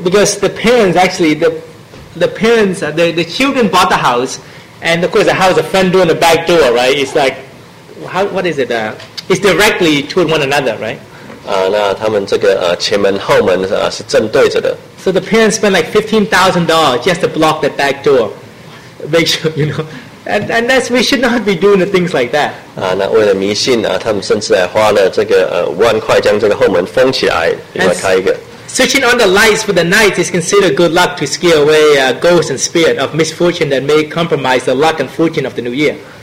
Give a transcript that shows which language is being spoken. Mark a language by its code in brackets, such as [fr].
[en] Because the parents, actually, the children bought the house, and of course the house, the front door and the back door, right? It's like, what is it? It's directly toward one another, right? [zh] 那他们这个前门后门是正对着的。 [en] So the parents spent like $15,000 just to block the back door, make sure, you know, and that's, we should not be doing the things like that. [zh] 那为了迷信，他们甚至还花了这个5万块将这个后门封起来，另外开一个。 [en] Switching on the lights for the night is considered good luck to scare away ghosts and spirit of misfortune that may compromise the luck and fortune of the new year.